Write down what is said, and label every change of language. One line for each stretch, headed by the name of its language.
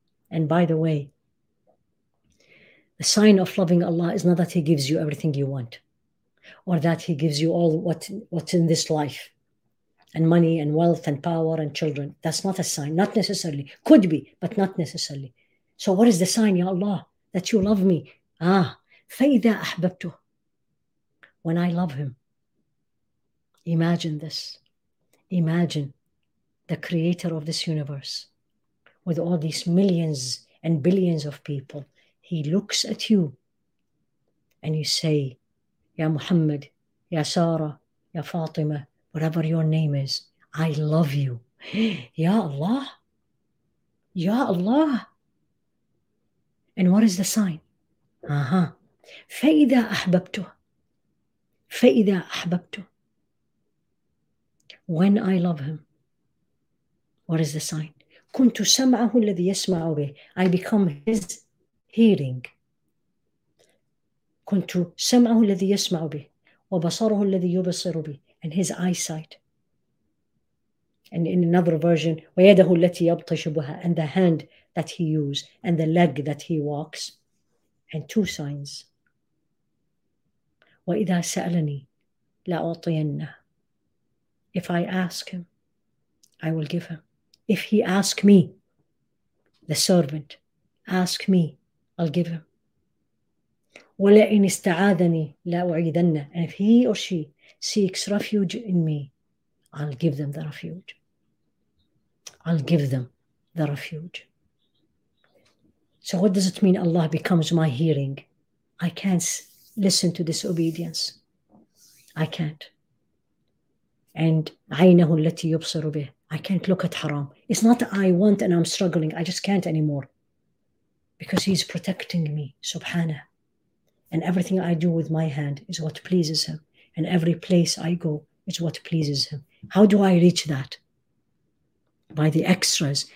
English: And by the way, the sign of loving Allah is not that he gives you everything you want or that he gives you all what's in this life and money and wealth and power and children. That's not a sign. Not necessarily. Could be, but not necessarily. So what is the sign, Ya Allah, that you love me?
Arabic: Ah, فَإِذَا أَحْبَبْتُ.
English: When I love him. Imagine this. Imagine the creator of this universe. With all these millions and billions of people, he looks at you and you say, Ya Muhammad, Ya Sara, Ya Fatima, whatever your name is, I love you. Ya Allah, Ya Allah. And what is the sign?
Arabic: فَإِذَا أَحْبَبْتُ. فَإِذَا أَحْبَبْتُ.
English: When I love him, what is the sign?
Arabic: كنت سمعه الذي يسمع به.
English: I become his hearing.
Arabic: كنت سمعه الذي يسمع به وبصره الذي يبصر به.
English: And his eyesight. And in another version,
Arabic: ويده التي يبطش بها.
English: And the hand that he uses. And the leg that he walks. And two signs.
Arabic: وإذا سألني لأعطينه.
English: If I ask him, I will give him. If he ask me, the servant, ask me, I'll give him.
Arabic: وَلَئِنْ إِسْتَعَاذَنِي لَأُعِيدَنَّ.
English: And if he or she seeks refuge in me, I'll give them the refuge. I'll give them the refuge. So what does it mean Allah becomes my hearing? I can't listen to disobedience. I can't.
Arabic: And عينه التي يبصر به.
English: I can't look at haram. It's not that I want and I'm struggling. I just can't anymore. Because he's protecting me. Subhanah. And everything I do with my hand is what pleases him. And every place I go is what pleases him. How do I reach that? By the extras.